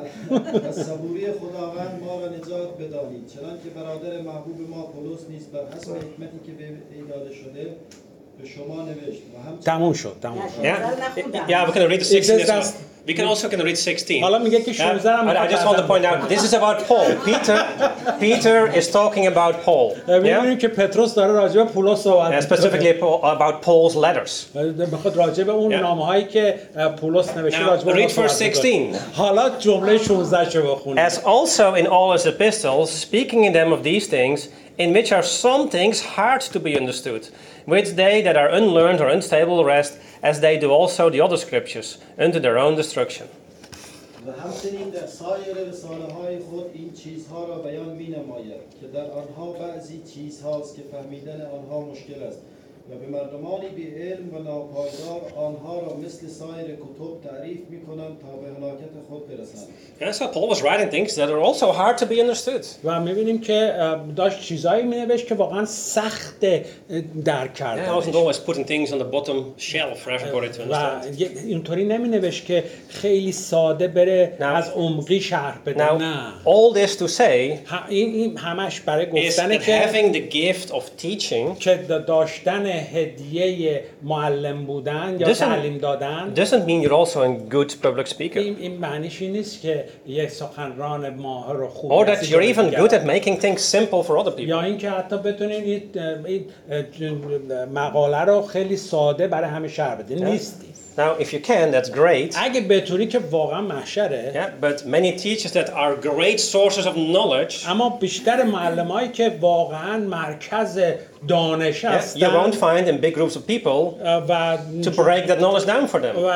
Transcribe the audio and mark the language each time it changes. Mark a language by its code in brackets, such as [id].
[fa] و صبوری خداوند ما را نجات بدانید، چنان که برادر محبوب ما پولس نیز بر حسب حکمتی که به وی داده شده به شما نوشت و همچنین تموم شد. [en] Yeah, we can read the 16 as well. We can also can read 16. [fa] حالا میگه که 16 هم [en] I just want to point out this is about Paul. Peter is talking about Paul. [fa] میگه که پتروس داره راجع به پولس صحبت میکنه. [en] Specifically about Paul's letters. [fa] به خود راجع به اون نامه‌هایی که پولس نوشته راجع به [en] read verse 16. [fa] حالا جمله 16 رو بخونید. [en] As also in all his epistles speaking in them of these things in which are some things hard to be understood, which they that are unlearned or unstable rest, as they do also the other scriptures, unto their own destruction. [fa] و همچنین در سایر رساله های خود این چیزها را بیان می نماید که در آنها بعضی چیزهاست که فهمیدن آنها مشکل است و به مردمانی بی علم و ناپایدار آنها را مثل سایر کتب تعریف می کنند تا به هلاکت خود برسند. [en] Yes, Paul was writing things that are also hard to be understood. [fa] و می بینیم که داشت چیزایی می نوشت که واقعا سخت درک کردنش. [en] Yeah, he wasn't always putting things on the bottom shelf for everybody to understand. [fa] و اینطوری نمی نوشت که خیلی ساده بره [en] now, [fa] از عمقی شرح بده. [en] Now, [fa] نه. [en] All this to say [fa] این همش برای گفتن که [en] having the gift of teaching [fa] که داشتن هدیه معلم بودن یا تعلیم دادن [en] doesn't mean you're also a good public speaker. [fa] این معنیش این نیست که یه سخنران ماهر و خوب [en] or that you're even good at making things simple for other people. [fa] یا اینکه حتی بتونین این مقاله رو خیلی ساده برای همه شرح بدین نیستی. [en] Now if you can that's great. [fa] اگه بتونی که واقعا محشره. [en] Yeah, but many teachers that are great sources of knowledge. [fa] اما بیشتر معلمایی که واقعا مرکز دانش هستن. [en] You won't find in big groups of people to break that knowledge down for them.